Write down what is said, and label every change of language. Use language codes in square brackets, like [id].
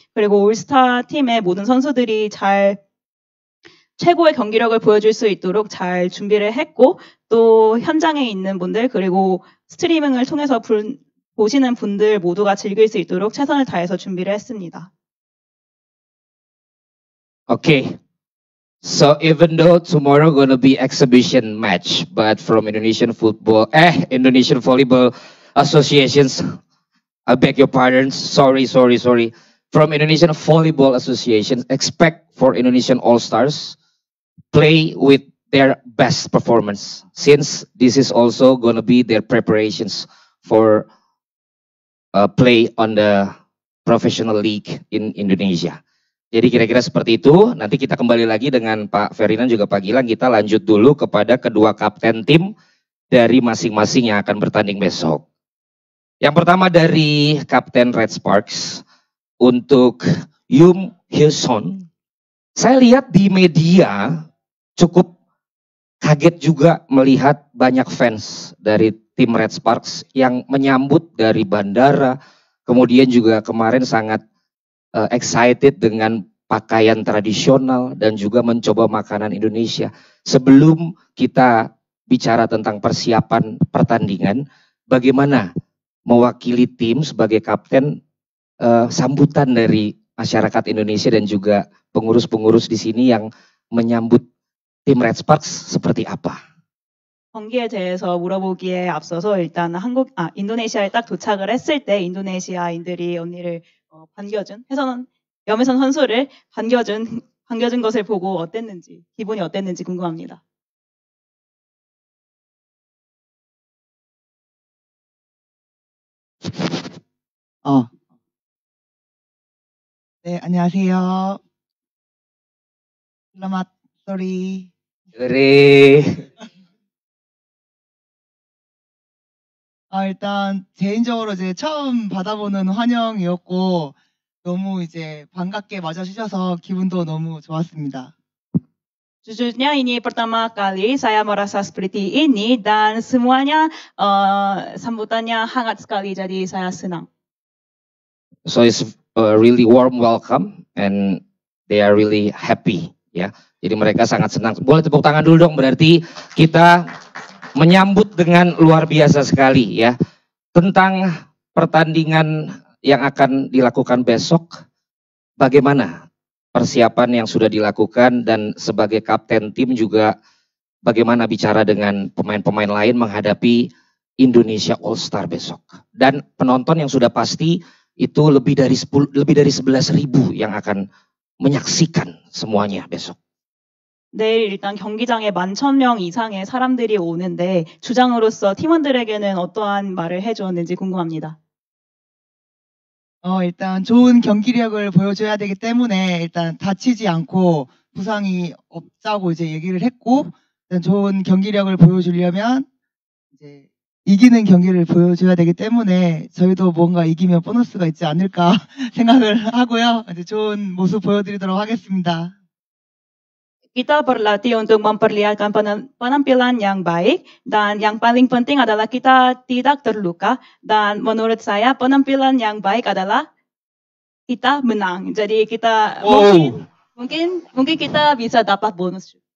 [ko] 그리고 올스타 팀의 모든 선수들이 잘 최고의 경기력을 보여줄 수 있도록 잘 준비를 했고 또 현장에 있는 분들 그리고 스트리밍을 통해서 보시는 분들 모두가 즐길 수 있도록 최선을 다해서 준비를 했습니다. [en] Okay, So even though tomorrow gonna be exhibition match, but from Indonesian football, Indonesian Volleyball Associations, I beg your pardon, sorry. From Indonesian Volleyball Association, expect for Indonesian All-Stars play with their best performance, since this is also gonna be their preparations for play on the professional league in Indonesia. [id] Jadi kira-kira seperti itu, nanti kita kembali lagi dengan Pak Ferdinand juga Pak Gilang, kita lanjut dulu kepada kedua kapten tim dari masing-masing yang akan bertanding besok. Yang pertama dari Kapten Red Sparks, untuk Yum Hyeson, saya lihat di media cukup kaget juga melihat banyak fans dari tim Red Sparks yang menyambut dari bandara, kemudian juga kemarin sangat excited dengan pakaian tradisional dan juga mencoba makanan Indonesia. Sebelum kita bicara tentang persiapan pertandingan, bagaimana mewakili tim sebagai kapten, sambutan dari masyarakat Indonesia dan juga pengurus-pengurus di sini yang menyambut tim Red Sparks seperti apa? [ko] 경기에 대해서 물어보기에 앞서서 일단 한국 아 인도네시아에 딱 도착을 했을 때 인도네시아인들이 언니를 반겨준 혜선 염혜선 선수를 반겨준 것을 보고 어땠는지 기분이 어땠는지 궁금합니다. [id] Hey, [ko] 안녕하세요. [id] Selamat sore. Sore. [ko] 아, 일단 개인적으로 이제 처음 받아보는 환영이었고 너무 이제 반갑게 맞아주셔서 기분도 너무 좋았습니다. [id] Sejujurnya ini pertama kali saya merasa seperti ini dan semuanya sambutannya hangat sekali, jadi saya senang. [en] So it's a really warm welcome and they are really happy, ya. [id] Jadi mereka sangat senang. Boleh tepuk tangan dulu dong, berarti kita menyambut dengan luar biasa sekali, ya. Tentang pertandingan yang akan dilakukan besok, bagaimana persiapan yang sudah dilakukan dan sebagai kapten tim juga bagaimana bicara dengan pemain-pemain lain menghadapi Indonesia All Star besok. Dan penonton yang sudah pasti itu lebih dari 11.000 yang akan menyaksikan semuanya besok. [ko] 내일 일단 경기장에 11,000명 이상의 사람들이 오는데 주장으로서 팀원들에게는 어떠한 말을 해주었는지 궁금합니다. 일단 좋은 경기력을 보여줘야 되기 때문에 일단 다치지 않고 부상이 없다고 이제 얘기를 했고, 일단 좋은 경기력을 보여주려면 이제 이기는 경기를 보여줘야 되기 때문에 저희도 뭔가 이기면 보너스가 있지 않을까 생각을 하고요. 이제 좋은 모습 보여드리도록 하겠습니다. [id] Kita berlatih untuk memperlihatkan penampilan yang baik dan yang paling penting adalah kita tidak terluka dan menurut saya penampilan yang baik adalah kita menang. Jadi kita mungkin kita bisa dapat bonus.